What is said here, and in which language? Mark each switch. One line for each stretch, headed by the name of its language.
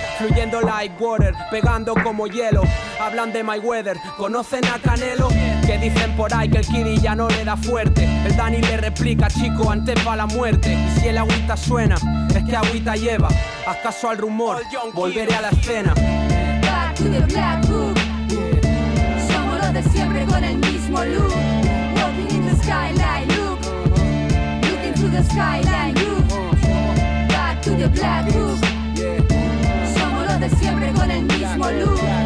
Spanish: Fluyendo
English: like water,
Spanish: pegando como hielo. Hablan de Mayweather, ¿conocen a Canelo? Que dicen por ahí que el Kiddy ya no le da fuerte. El Dani le replica, chico, antes va la muerte. Y si el agüita suena, es que agüita lleva. Haz caso al rumor, volveré a la escena.
English: Back to the black book, yeah.
Spanish: Somos los de siempre con el mismo look.
English: Walking in the skyline, look. Looking through the skyline, look. Back to the black book, yeah.
Spanish: Somos los de siempre con el mismo look.